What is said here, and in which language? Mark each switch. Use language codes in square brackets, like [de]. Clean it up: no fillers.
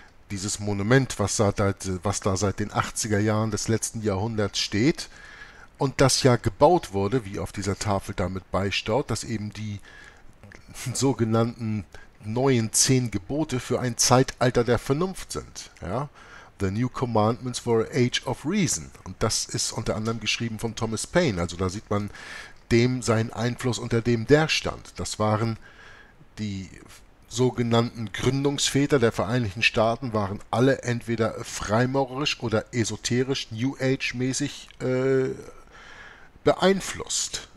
[de] Dieses Monument, was da seit den 80er Jahren des letzten Jahrhunderts steht und das ja gebaut wurde, wie auf dieser Tafel damit beisteht, dass eben die sogenannten neuen 10 Gebote für ein Zeitalter der Vernunft sind. Ja? [en] The New Commandments for an Age of Reason. [de] Und das ist unter anderem geschrieben von Thomas Paine. Also da sieht man dem seinen Einfluss, unter dem der stand. Das waren die sogenannten Gründungsväter der Vereinigten Staaten, waren alle entweder freimaurerisch oder esoterisch, New Age-mäßig beeinflusst.